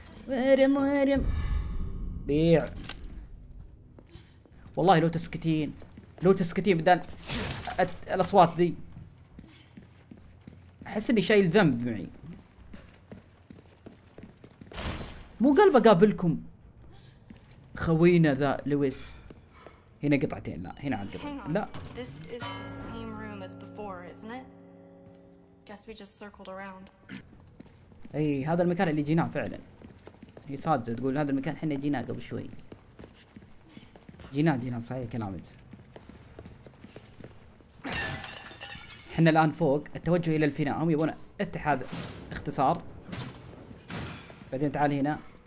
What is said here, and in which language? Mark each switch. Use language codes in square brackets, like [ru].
[ar] مريم مريم بيع، والله لو تسكتين، لو تسكتين بدل الاصوات ذي، احس اني شايل ذنب معي. مو قلب اقابلكم خوينا ذا لويس. هنا قطعتين، لا هنا عاد قطعتين. [en] لا this is the same room as before isn't it, guess we just circled around. [ar] اي هذا المكان اللي جيناه فعلا، هي صادقة تقول هذا المكان احنا جيناه قبل شوي، جيناه صحيح كلامك. احنا الان فوق، التوجه الى الفناء. هم يبون افتح هذا اختصار، بعدين تعال هنا.